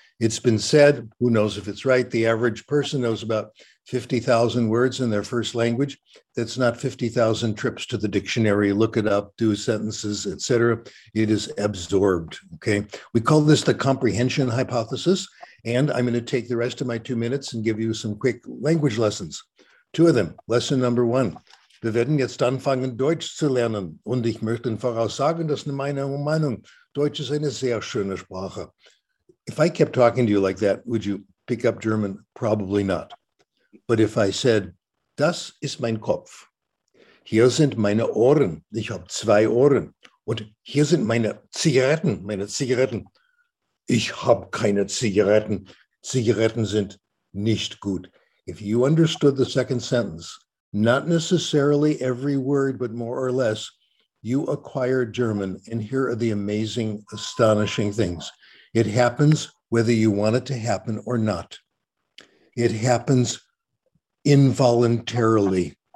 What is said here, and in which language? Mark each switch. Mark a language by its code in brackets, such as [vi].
[en] It's been said, who knows if it's right, the average person knows about 50,000 words in their first language. That's not 50,000 trips to the dictionary, look it up, do sentences, etc. It is absorbed, okay? We call this the comprehension hypothesis, and I'm going to take the rest of my 2 minutes and give you some quick language lessons. Two of them. Lesson number one. [de] Wir werden jetzt anfangen, Deutsch zu lernen. Und ich möchte voraussagen, dass in meiner Meinung Deutsch ist eine sehr schöne Sprache. [en] If I kept talking to you like that, would you pick up German? Probably not. But if I said, [de] das ist mein Kopf. Hier sind meine Ohren. Ich habe zwei Ohren. Und hier sind meine Zigaretten. Meine Zigaretten. Ich habe keine Zigaretten. Zigaretten sind nicht gut. [en] If you understood the second sentence, not necessarily every word, but more or less, you acquire German. And here are the amazing, astonishing things. It happens whether you want it to happen or not. It happens involuntarily.